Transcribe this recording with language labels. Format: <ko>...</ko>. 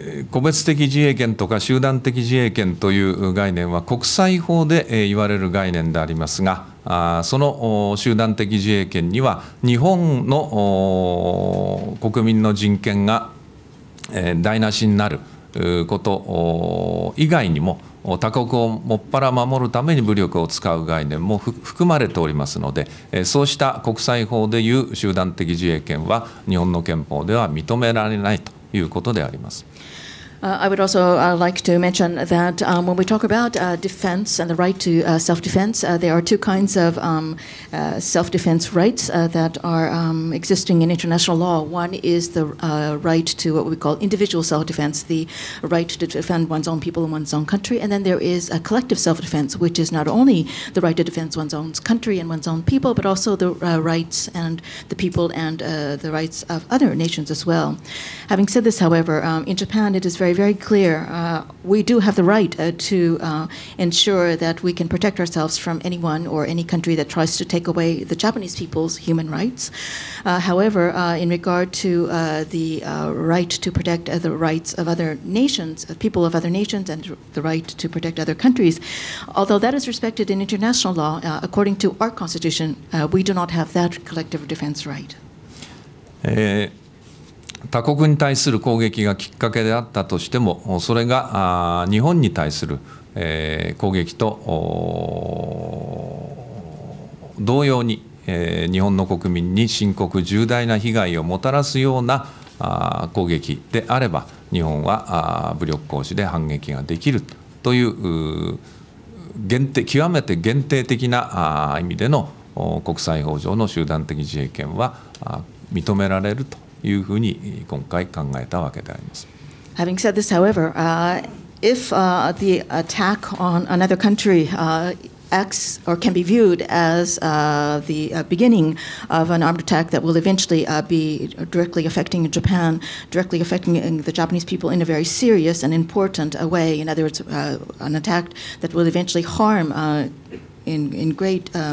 <ja>個別的自衛権とか集団的自衛権という概念は国際法で言われる概念でありますが、その集団的自衛権には日本の国民の人権が台無しになること以外にも、他国をもっぱら守るために武力を使う概念も含まれておりますので、そうした国際法でいう集団的自衛権は日本の憲法では認められないということであります。</ja> <en>I would also like to mention that when we talk about defense and the right to self-defense, there are two kinds of self-defense rights that are existing in international law. One is the right to what we call individual self-defense, the right to defend one's own people in one's own country. And then there is a collective self-defense, which is not only the right to defend one's own country and one's own people, but also the rights and the people and the rights of other nations as well. Having said this, however, in Japan, it is very, very clear. We do have the right to ensure that we can protect ourselves from anyone or any country that tries to take away the Japanese people's human rights. However, in regard to the right to protect the rights of other nations, people of other nations, and the right to protect other countries, although that is respected in international law, according to our constitution, we do not have that collective defense right.</en> <ja>他国に対する攻撃がきっかけであったとしても、それが日本に対する攻撃と同様に日本の国民に深刻重大な被害をもたらすような攻撃であれば、日本は武力行使で反撃ができるという限定、極めて限定的な意味での国際法上の集団的自衛権は認められるというふうに今回考えたわけであります。</ja> <en>Having said this, however, if the attack on another country acts or can be viewed as the beginning of an armed attack that will eventually be directly affecting Japan, directly affecting the Japanese people in a very serious and important way, in other words, an attack that will eventually harm in great</en>